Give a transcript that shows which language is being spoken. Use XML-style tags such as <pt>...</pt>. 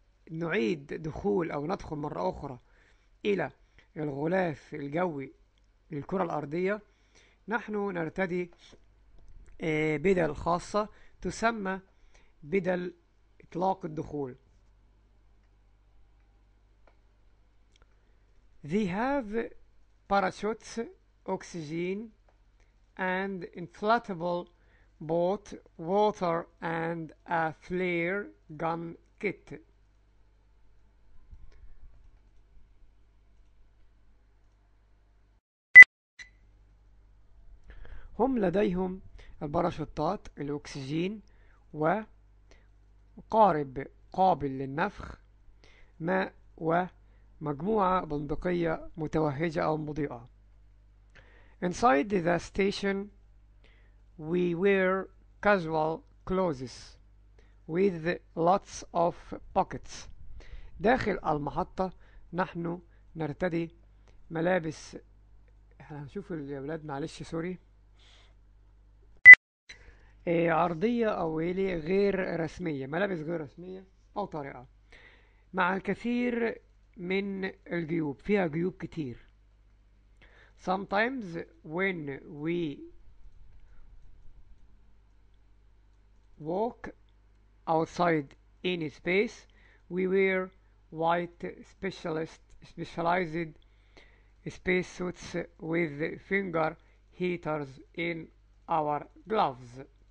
<ar>نعيد دخول او ندخل مرة اخرى الى الغلاف الجوي للكرة الارضية، نحن نرتدي بدل خاصة تسمى بدل إطلاق الدخول.</ar> <en>They have parachutes, oxygen and inflatable boat, water and a flare gun kit.</en> <ar>هم لديهم الباراشوتات، الأكسجين، وقارب قابل للنفخ، ماء، ومجموعة بندقية متوهجة أو مضيئة.</ar> <en>Inside the station we wear casual clothes with lots of pockets.</en> <ar>داخل المحطة نحن نرتدي ملابس. هنشوف يا ولاد، معلش سوري، عرضية أو إيه، غير رسمية، ملابس غير رسمية أو طريقة مع الكثير من الجيوب، فيها جيوب كتير.</ar> <en>Sometimes when we walk outside in space we wear white specialized space suits with finger heaters in our gloves.</en>